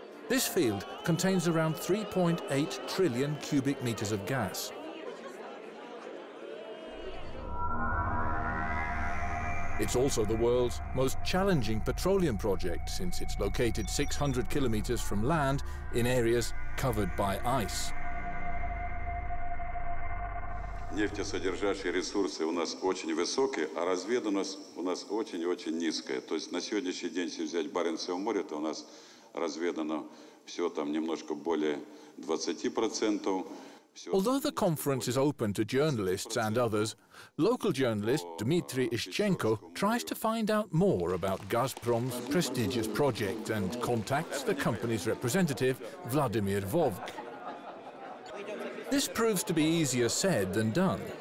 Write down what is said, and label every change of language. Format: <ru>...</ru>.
<en>This field contains around 3.8 trillion cubic meters of gas. It's also the world's most challenging petroleum project since it's located 600 kilometers from land in areas covered by ice.</en> <ru>Нефтесодержащие ресурсы у нас очень высокие, а разведанность у нас очень-очень низкая. То есть на сегодняшний день, если взять Баренцево море, то у нас разведано всё там немножко более 20%.</ru> <en>Although the conference is open to journalists and others, local journalist Dmitry Ischenko tries to find out more about Gazprom's prestigious project and contacts the company's representative, Vladimir Vovk. This proves to be easier said than done.</en>